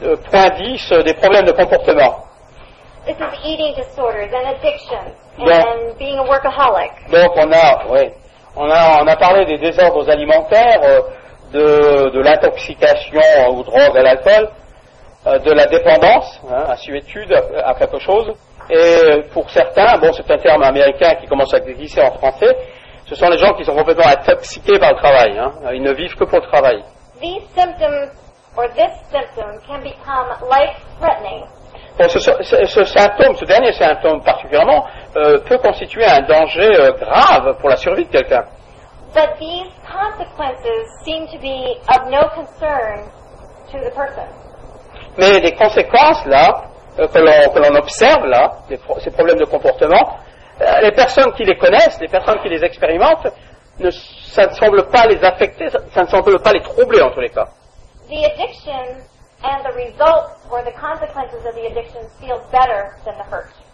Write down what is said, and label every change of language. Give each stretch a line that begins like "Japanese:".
French: Point 10, des problèmes de comportement.
English: This is eating disorders and addictions and being a workaholic.
French: Donc on a, on a parlé des désordres alimentaires, de l'intoxication aux drogues, à l'alcool, de la dépendance, à suétude, à quelque chose. Et pour certains, bon, c'est un terme américain qui commence à glisser en français, ce sont les gens qui sont complètement intoxiqués par le travail. Hein. Ils ne vivent que pour le travail.
English: These symptoms or this symptom can become life-threatening.
French: Bon, ce symptôme, ce dernier symptôme particulièrement, peut constituer un danger grave pour la survie de quelqu'un.
English: But these consequences seem to be of no concern to the person.
French: Mais les conséquences là, que l'on observe là, ces problèmes de comportement, les personnes qui les connaissent, les personnes qui les expérimentent, ça ne semble pas les affecter, ça ne semble pas les troubler en tous les cas.
English: The addiction and the results or the consequences of the addiction feel better than the hurt.